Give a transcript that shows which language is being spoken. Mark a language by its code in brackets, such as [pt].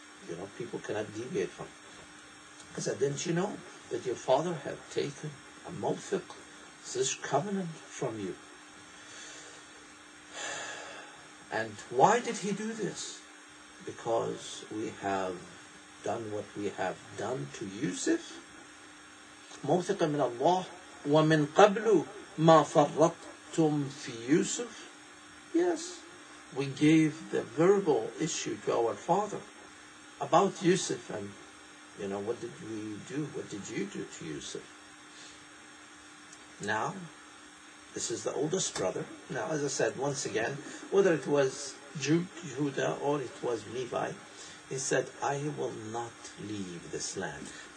[en] You know, people cannot deviate from it. I said, didn't you know that your father had taken a mawthiq, this covenant, from you? And why did he do this? Because we have done what we have done to Yusuf. [ar] موثق من الله ومن قبل ما فرطتم في يوسف. [en] Yes, we gave the verbal issue to our father about Yusuf, and you know, what did we do? What did you do to Yusuf? Now, this is the oldest brother. Now, as I said once again, whether it was Judah or it was Levi, he said, I will not leave this land.